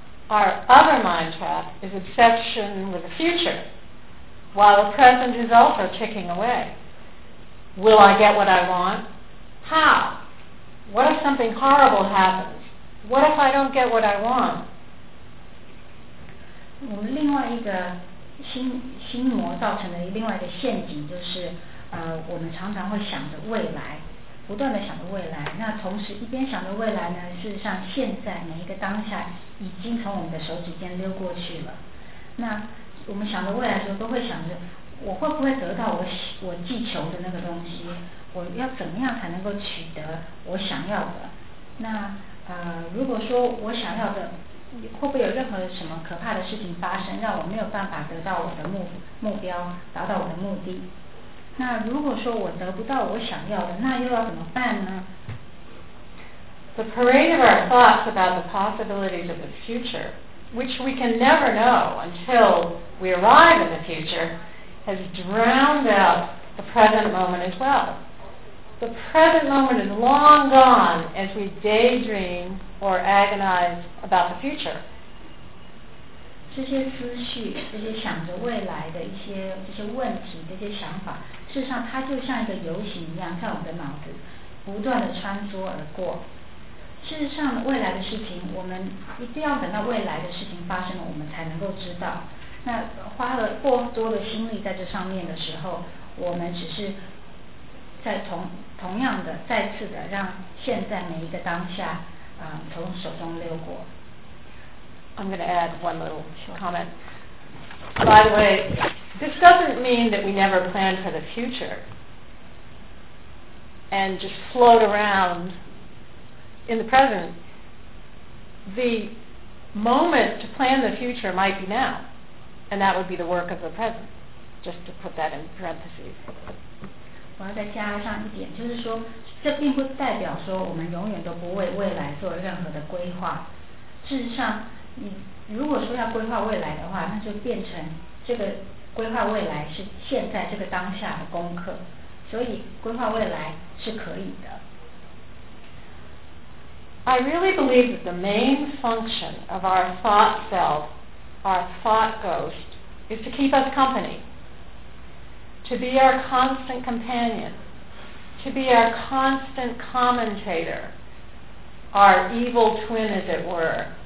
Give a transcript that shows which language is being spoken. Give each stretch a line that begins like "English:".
English: Our other mind trap is obsession with the future, while the present is also ticking away. Will I get what I want? How? What if something horrible happens? What if I don't get what I want?
Chinese: 我们另外一个心魔造成的另外一个陷阱就是，我们常常会想着未来。不断地想着未来，那同时一边想着未来呢，事实上现在每一个当下已经从我们的手指间溜过去了。那我们想着未来的时候，都会想着我会不会得到我寄求的那个东西，我要怎么样才能够取得我想要的。那如果说我想要的会不会有任何什么可怕的事情发生，让我没有办法得到我的目标，达到我的目的。那如果说我得不到我想要的，那又要怎么办呢？
English: The parade of our thoughts about the possibilities of the future, which we can never know until we arrive in the future, has drowned out the present moment as well. The present moment is long gone as we daydream or agonize about the future.
Chinese: 这些思绪，这些想着未来的这些问题，这些想法，事实上它就像一个游行一样在我们的脑子不断地穿梭而过。事实上未来的事情，我们一定要等到未来的事情发生了我们才能够知道。那花了过多的心力在这上面的时候，我们只是在同样的再次的让现在每一个当下从手中溜过。
English: I'm going to add one little comment. By the way, this doesn't mean that we never plan for the future and just float around in the present. The moment to plan the future might be now, and that would be the work of the present, just to put that in parentheses.
Chinese: 我要再加上一点，就是说，这并不代表说我们永远都不为未来做任何的规划。事实上，你如果说要规划未来的话，那就变成这个规划未来是现在这个当下的功课。所以规划未来是可以的。
English: I really believe that the main function of our thought self, our thought ghost, is to keep us company. To be our constant companion, to be our constant commentator, our evil twin, as it were.